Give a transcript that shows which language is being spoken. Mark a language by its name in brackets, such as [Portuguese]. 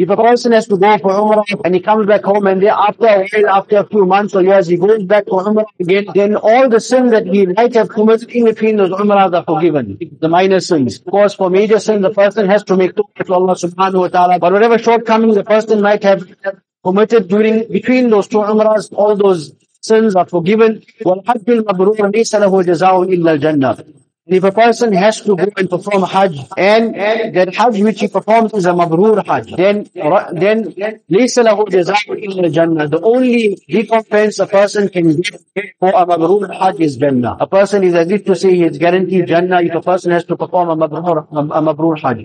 [English] If a person has to go for umrah and he comes back home, and then after a few months or years, he goes back for umrah again, then all the sins that he might have committed in between those umrahs are forgiven. The minor sins. Of course, for major sins, the person has to make tawbah to Allah subhanahu wa ta'ala. But whatever shortcomings the person might have committed during between those two umrahs, all those sins are forgiven. [Arabic] والحج المبرور ليس له جزاء إلا الجنة. [English] If a person has to go and perform Hajj, and that Hajj which he performs is a mabrur Hajj, then [Arabic] ليس له جزاء إلا الجنة. [English] The only recompense a person can get for a mabrur Hajj is Jannah. A person is as if to say he is guaranteed Jannah if a person has to perform a mabrur Hajj.